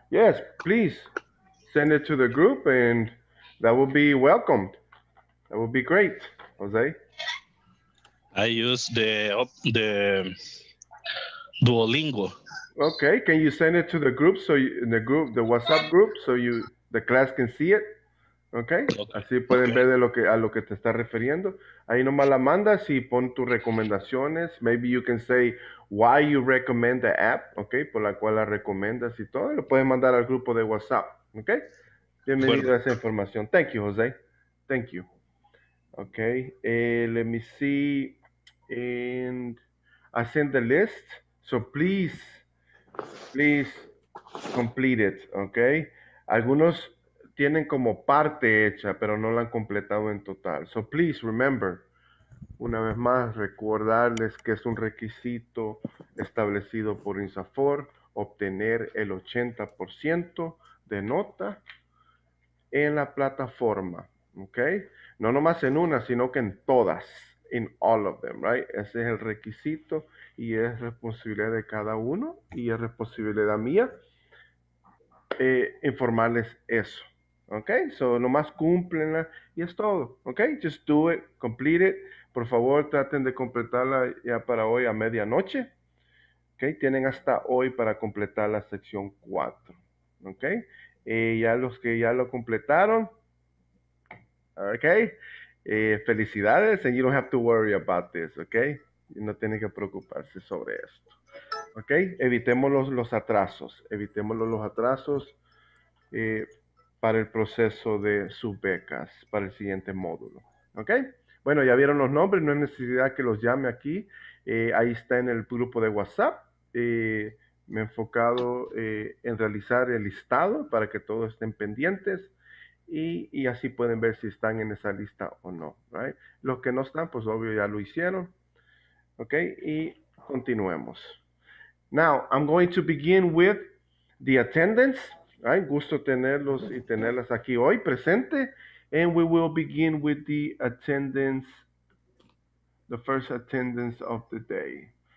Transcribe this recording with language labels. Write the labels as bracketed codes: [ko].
[en] Yes, please send it to the group and that will be welcomed. That would be great, Jose. I use the Duolingo. Okay, can you send it to the group so you, in the group, the WhatsApp group, so you the class can see it? Okay. Okay. [es] Así pueden [en] okay. [es] ver de lo que a lo que te está refiriendo. Ahí nomás la mandas y pon tus recomendaciones. [en] Maybe you can say why you recommend the app, okay, [es] por la cual la recomiendas y todo. Lo puedes mandar al grupo de WhatsApp, okay? Bienvenido bueno. a esa información. [en] Thank you, Jose. Thank you. Okay, let me see, and I sent the list, so please complete it, okay? [es] Algunos tienen como parte hecha, pero no la han completado en total. [en] So please remember, [es] una vez más, recordarles que es un requisito establecido por INSAFOR, obtener el 80% de nota en la plataforma, okay? No nomás en una, sino que en todas, [en] in all of them, right? [es] Ese es el requisito y es responsabilidad de cada uno y es responsabilidad mía informarles eso, okay? [en] So [es] nomás cúmplenla y es todo, [en] okay? Just do it, complete it. [es] Por favor, traten de completarla ya para hoy a medianoche, okay? Tienen hasta hoy para completar la sección 4, okay? Ya los que ya lo completaron, [en] okay, felicidades, and you don't have to worry about this, okay? [es] No tiene que preocuparse sobre esto, okay? Evitemos los atrasos, evitemos los atrasos para el proceso de sus becas, para el siguiente módulo, okay? Bueno, ya vieron los nombres, no hay necesidad que los llame aquí. Ahí está en el grupo de WhatsApp. Me he enfocado en realizar el listado para que todos estén pendientes. Y así pueden ver si están en esa lista o no, right? Los que no están, pues obvio ya lo hicieron, okay? Y continuemos. [en] Now, I'm going to begin with the attendance, right? [es] Gusto tenerlos y tenerlas aquí hoy presente. [en] And we will begin with the attendance, the first attendance of the day.